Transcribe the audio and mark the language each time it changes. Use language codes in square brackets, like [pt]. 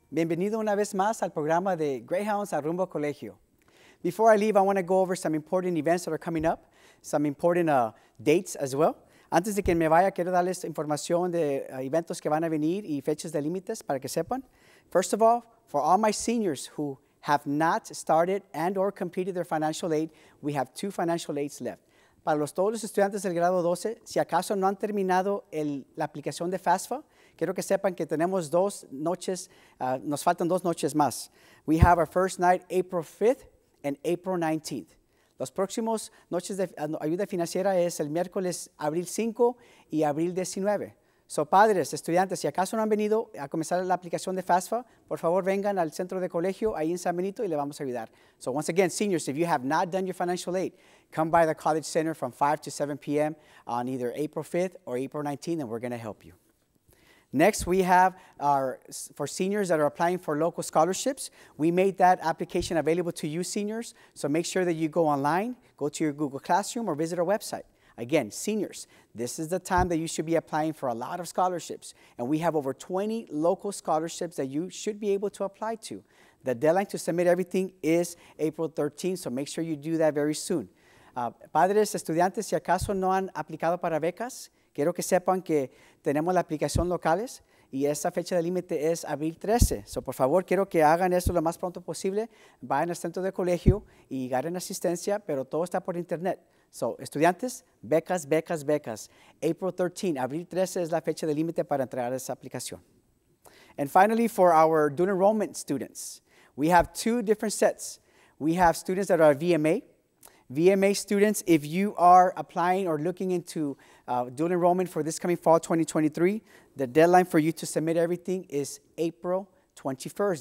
[es] Bienvenido una vez más al programa de Greyhounds a Rumbo Colegio. [en] Before I leave, I want to go over some important events that are coming up, some important dates as well. [es] Antes de que me vaya, quiero darles información de eventos que van a venir y fechas de límites para que sepan. [en] First of all, for all my seniors who have not started and or completed their financial aid, we have two financial aids left. [es] Para todos los estudiantes del grado 12, si acaso no han terminado la aplicación de FAFSA, quiero que sepan que tenemos dos noches, nos faltan dos noches más. [en] We have our first night April 5th and April 19th. [es] Los próximos noches de ayuda financiera es el miércoles abril 5 y abril 19. So padres, estudiantes, si acaso no han venido a comenzar la aplicación de FAFSA, por favor vengan al centro de colegio ahí en San Benito y le vamos a ayudar. [en] So once again, seniors, if you have not done your financial aid, come by the College Center from 5 to 7 p.m. on either April 5th or April 19th, and we're going to help you. Next, we have for seniors that are applying for local scholarships, we made that application available to you seniors, so make sure that you go online, go to your Google Classroom, or visit our website. Again, seniors, this is the time that you should be applying for a lot of scholarships, and we have over 20 local scholarships that you should be able to apply to. The deadline to submit everything is April 13th, so make sure you do that very soon. [es] Padres, estudiantes, si acaso no han aplicado para becas, quiero que sepan que tenemos la aplicación locales y esa fecha de límite es abril 13. So, por favor, quiero que hagan eso lo más pronto posible. Vayan al centro de colegio y ganen asistencia, pero todo está por internet. So, estudiantes, becas, becas, becas. April 13, abril 13 es la fecha de límite para entregar esa aplicación. [en] And finally, for our dual enrollment students, we have two different sets. We have students that are VMA. VMA students, if you are applying or looking into dual enrollment for this coming fall 2023, the deadline for you to submit everything is April 21st.